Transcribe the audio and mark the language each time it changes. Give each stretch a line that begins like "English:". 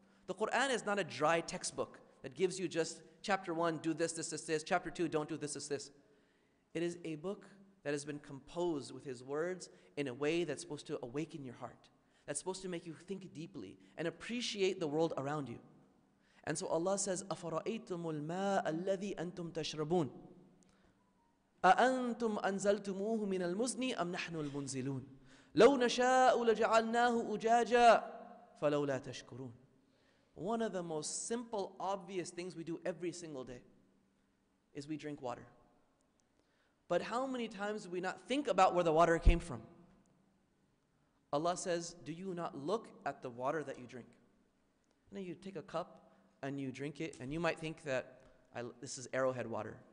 English: The Quran is not a dry textbook that gives you just chapter one, do this, this, this, this. Chapter two, don't do this, this, this. It is a book that has been composed with His words in a way that's supposed to awaken your heart, that's supposed to make you think deeply and appreciate the world around you. And so Allah says,
Arabic: أَفَرَأَيْتُمُ الْمَاءَ الَّذِي أَنْتُمْ تَشْرَبُونَ أَأَنْتُمْ أَنْزَلْتُمُوهُ مِنَ الْمُزْنِي أَمْ نَحْنُ الْمُنْزِلُونَ لَوْ نَشَاءُ لَجَعَلْنَاهُ أُجَاجًا فَلَوْ لَا تَشْكُرُونَ.
English: One of the most simple, obvious things we do every single day is we drink water. But how many times do we not think about where the water came from? Allah says, do you not look at the water that you drink? Now you take a cup and you drink it, and you might think that this is Arrowhead water.